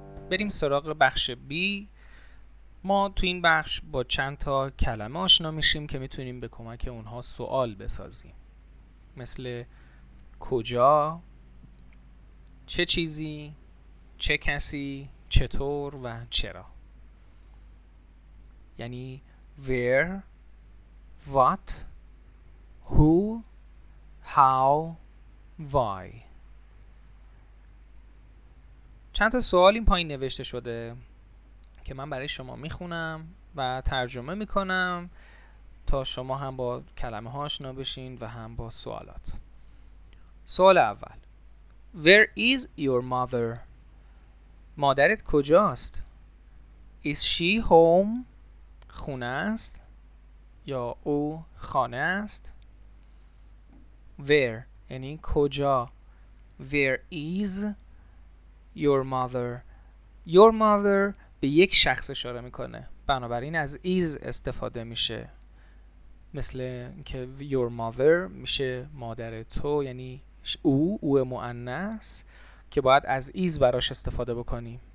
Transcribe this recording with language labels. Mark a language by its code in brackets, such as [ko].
[fa] بریم سراغ بخش بی. ما تو این بخش با چند تا کلمه آشنا میشیم که میتونیم به کمک اونها سوال بسازیم، مثل کجا، چه چیزی، چه کسی، چطور و چرا، یعنی where، what، who، how، why. چند تا سوال این پایین نوشته شده که من برای شما میخونم و ترجمه میکنم، تا شما هم با کلمه ها آشنا بشین و هم با سوالات. سوال اول: [en] Where is your mother? [fa] مادرت کجاست؟ [en] Is she home? [fa] خونه است؟ یا او خانه است؟ Where یعنی کجا؟ [en] Where is your mother? [fa] Your mother به یک شخص اشاره میکنه، بنابراین از is استفاده میشه، مثل که your mother میشه مادر تو، یعنی او مؤنث که باید از is براش استفاده بکنیم.